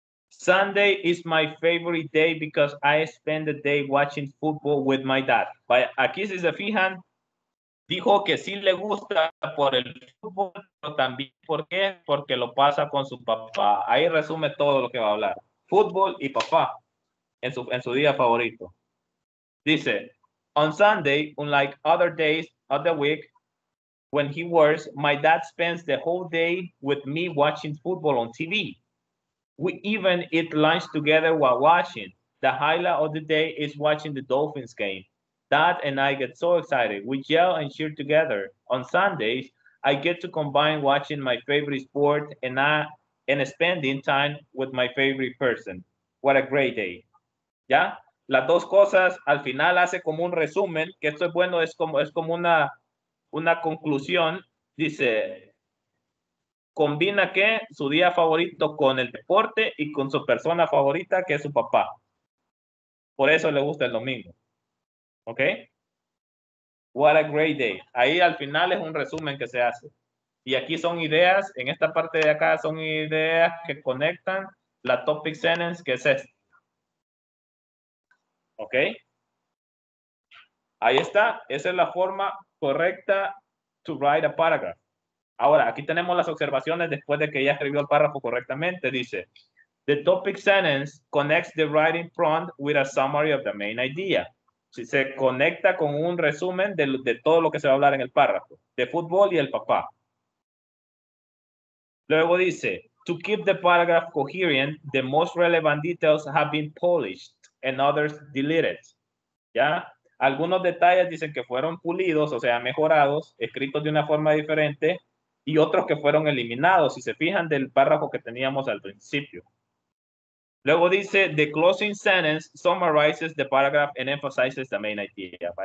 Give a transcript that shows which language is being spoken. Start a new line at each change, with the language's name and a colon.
English: Sunday is my favorite day because I spend the day watching football with my dad.
Spanish: Vaya, aquí si se fijan, dijo que sí le gusta por el fútbol, pero también ¿por qué? Porque lo pasa con su papá. Ahí resume todo lo que va a hablar. Fútbol y papá en su día favorito.
English: Dice, on Sunday, unlike other days of the week, when he works, my dad spends the whole day with me watching football on TV. We even eat lunch together while watching. The highlight of the day is watching the Dolphins game. Dad and I get so excited. We yell and cheer together. On Sundays, I get to combine watching my favorite sport and spending time with my favorite person. What a great day. ¿Ya?
Spanish: Las dos cosas, al final hace como un resumen, que esto es bueno, es como una conclusión. Dice, combina que su día favorito con el deporte y con su persona favorita, que es su papá. Por eso le gusta el domingo. ¿Ok?
English: What a great day.
Spanish: Ahí al final es un resumen que se hace. Y aquí son ideas, en esta parte de acá son ideas que conectan la topic sentence que es esta. ¿Ok? Ahí está. Esa es la forma correcta
English: to write a paragraph.
Spanish: Ahora, aquí tenemos las observaciones después de que ya escribió el párrafo correctamente.
English: Dice, the topic sentence connects the writing prompt with a summary of the main idea.
Spanish: Si se conecta con un resumen de todo lo que se va a hablar en el párrafo, de fútbol y el papá.
English: Luego dice, to keep the paragraph coherent, the most relevant details have been polished and others deleted.
Spanish: ¿Ya? Algunos detalles dicen que fueron pulidos, o sea, mejorados, escritos de una forma diferente, y otros que fueron eliminados, si se fijan del párrafo que teníamos al principio.
English: Luego dice, the closing sentence summarizes the paragraph and emphasizes the main idea.